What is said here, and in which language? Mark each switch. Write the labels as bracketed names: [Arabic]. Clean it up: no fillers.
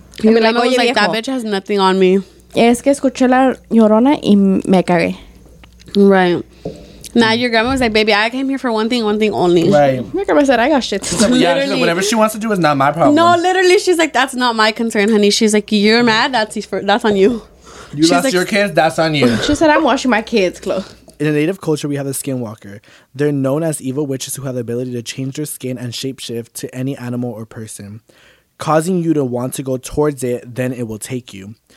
[Spanish] Y me [English] like, [Spanish] oye, [English] that bitch has nothing on me. [Spanish] Es que escuché la llorona y me cagué. [English] Right. Now your grandma was like, baby, I came here for one thing only. Right. My grandma said, I got shit to do. Yeah, she's like, whatever she wants to do is not my problem. No, literally, she's like, that's not my concern, honey. She's like, you're mad? That's on you. You she's lost like, your kids? That's on you. She said, I'm washing my kids' clothes. In a native culture, we have a skinwalker. They're known as evil witches who have the ability to change their skin and shapeshift to any animal or person, causing you to want to go towards it, then it will take you.